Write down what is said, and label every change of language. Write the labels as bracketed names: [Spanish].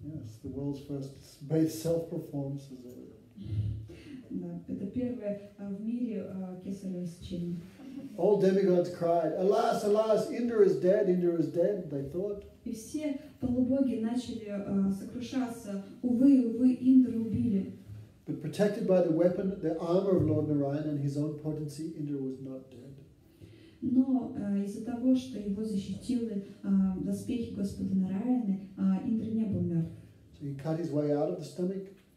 [English] Yes, the world's first self-performed cesarean. [Russian] Да, это первое в мире кесарево сечение. [English] All demigods cried, "Alas, alas! Indra is dead! Indra is dead!" They thought. [Russian] И все полубоги начали сокрушаться. Увы, увы, Индра убили. [English] But protected by the weapon, the armor of Lord Narayan and his own potency, Indra was not dead. [Russian] Но из-за того, что его защитили доспехи Господа Нараяны, Индра не был мертв. [English] So he cut his way out of the stomach.